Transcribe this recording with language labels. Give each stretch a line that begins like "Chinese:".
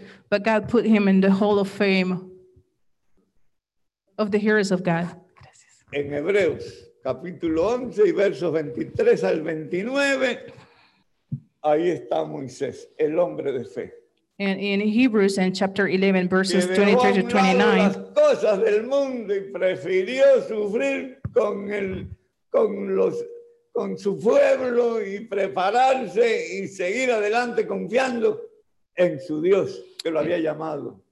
English: But God put him in the Hall of Fame of the heroes of God.
Spanish: En Hebreos, capítulo 11, y versos 23 al 29, ahí está Moisés, el hombre de fe.
English: And in Hebrews, in chapter 11, verses 23 to 29,
Spanish: las cosas del mundo y prefirió sufrir con el, con los, con su pueblo y prepararse y seguir adelante confiando en su Dios que lo había llamado.